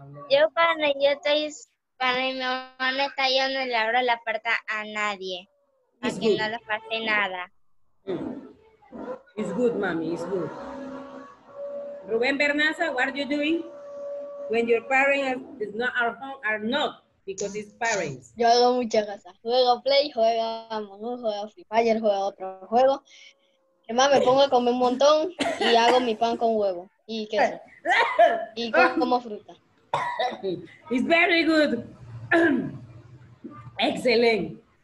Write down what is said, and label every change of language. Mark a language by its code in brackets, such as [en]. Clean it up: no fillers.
[es] Yo cuando yo estoy, cuando mi mamá me está, yo no le abro la puerta a nadie, a que no le pase nada. [en] It's good, mami, it's good. Rubén Bernaza, what are you doing when your parents is not at home, are not, because it's parents? [es] Yo hago muchas cosas, juego Play, juego Among Us, juego Free Fire, juego otro juego. Además me pongo a comer un montón y hago mi pan con huevo y queso, y como fruta. [en] It's very good. [es] Excelente.